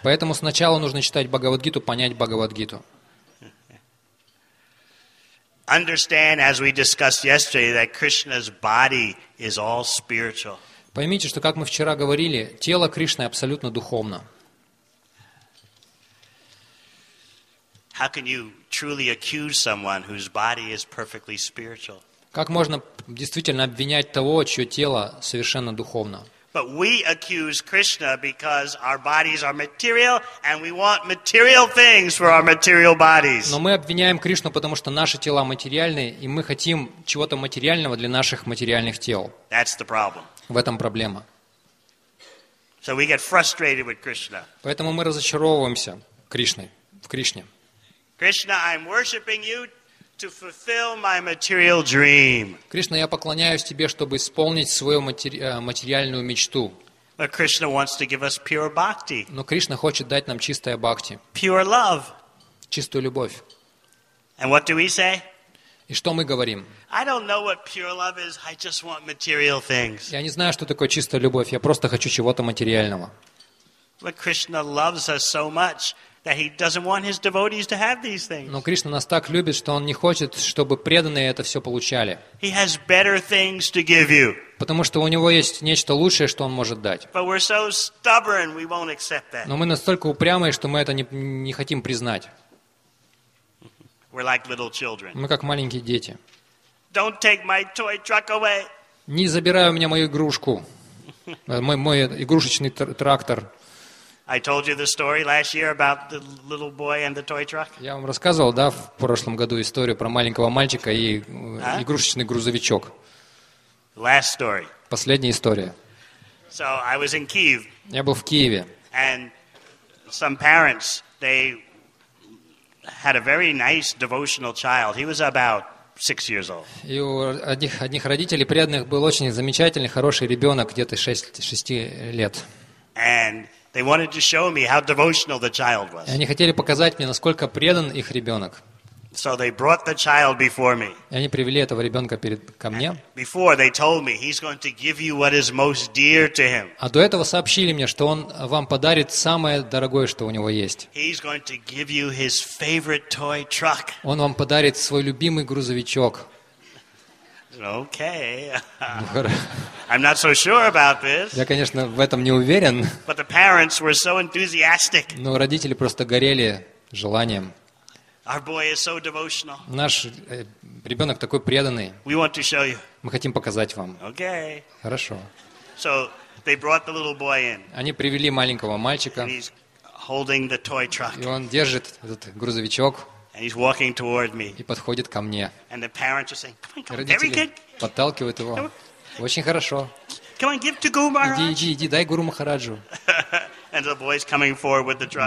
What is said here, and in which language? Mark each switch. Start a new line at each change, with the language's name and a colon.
Russian: Поэтому сначала нужно читать Бхагавад Гиту, понять Бхагавад Гиту.
English: Understand, as we discussed yesterday, that Krishna's body is all spiritual.
Russian: Поймите, что как мы вчера говорили, тело Кришны абсолютно духовно.
English: How can you truly accuse someone whose body is perfectly spiritual?
Russian: Как можно действительно обвинять того, чье тело совершенно духовно?
English: But we accuse Krishna because our bodies are material and we want material things for our material bodies.
Russian: Но мы обвиняем Кришну, потому что наши тела материальные, и мы хотим чего-то материального для наших материальных тел.
English: That's the problem.
Russian: В этом проблема.
English: So we get frustrated with Krishna.
Russian: Поэтому мы разочаровываемся Кришной, в Кришне.
English: Krishna, I'm worshiping you to fulfill my material dream.
Russian: Кришна, я поклоняюсь тебе, чтобы исполнить свою материальную мечту.
English: But Krishna wants to give us pure bhakti.
Russian: Но Кришна хочет дать нам чистое бхакти.
English: Pure love.
Russian: Чистую любовь.
English: And what do we say?
Russian: И что мы говорим?
English: I don't know what pure love is. I just want material things.
Russian: Я не знаю, что такое чистая любовь. Я просто хочу чего-то материального.
English: But Krishna loves us so much that he doesn't want his devotees to have these things.
Russian: Но Кришна нас так любит, что он не хочет, чтобы преданные это все получали.
English: He has better things to give you.
Russian: Потому что у него есть нечто лучшее, что он может дать.
English: But we're so stubborn, we won't accept that.
Russian: Но мы настолько упрямые, что мы это не хотим признать.
English: We're like little children.
Russian: Мы как маленькие дети.
English: Don't take my toy truck away.
Russian: Не забирай у меня мою игрушку. Мой игрушечный трактор.
English: I told you the story last year about the little boy and the toy truck.
Russian: Я вам рассказывал, да, в прошлом году историю про маленького мальчика и игрушечный грузовичок.
English: Last story.
Russian: Последняя история.
English: So I was in Kyiv.
Russian: Я был в Киеве.
English: And some parents, they had a very nice devotional child. He was about 6 years old.
Russian: И у одних родителей преданных был очень замечательный, хороший ребенок, где-то 6 лет.
English: And they wanted to show me how devotional the child was.
Russian: Они хотели показать мне, насколько предан их ребенок.
English: So they brought the child before me.
Russian: Они привели этого ребенка перед ко мне.
English: Before they told me he's going to give you what is most dear to him.
Russian: А до этого сообщили мне, что он вам подарит самое дорогое, что у него есть.
English: He's going to give you his favorite toy truck.
Russian: Он вам подарит свой любимый грузовичок.
English: Okay. I'm not so sure about this.
Russian: Я, конечно, в этом не уверен.
English: But the parents were so enthusiastic.
Russian: Но родители просто горели желанием.
English: Our boy is so devotional.
Russian: Наш ребенок такой преданный.
English: We want to show you.
Russian: Мы хотим показать вам.
English: Okay.
Russian: Хорошо.
English: So they brought the little boy in.
Russian: Они привели маленького мальчика.
English: And he's holding the toy truck.
Russian: И он держит этот грузовичок.
English: And he's walking toward me.
Russian: И подходит ко мне.
English: And the parents are saying, "Come on, come on, very good."
Russian: Подталкивают его. Очень хорошо.
English: Come on, give to Guru Maharaj.
Russian: Иди, дай Гуру Махараджу.
English: And the boy's coming forward with the truck.